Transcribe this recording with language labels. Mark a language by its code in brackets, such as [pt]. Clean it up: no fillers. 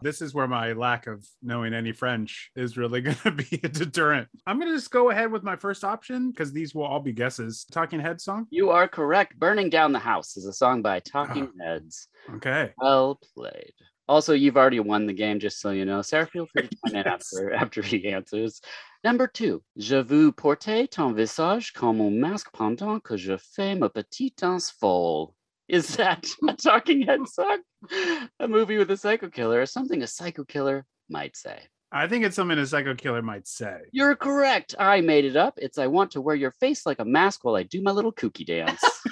[en] This is where my lack of knowing any French is really going to be a deterrent. I'm going to just go ahead with my first option because these will all be guesses. Talking Head song? You are correct. Burning Down the House is a song by Talking Heads. Okay. Well played. Also, you've already won the game, just so you know. Sarah, feel free to join in after he answers. [fr] Number two, je veux porter ton visage comme un masque pendant que je fais ma petite danse folle. [en] Is that a Talking Head song, a movie with a psycho killer, or something a psycho killer might say? I think it's something a psycho killer might say. You're correct. I made it up. It's I want to wear your face like a mask while I do my little kooky dance.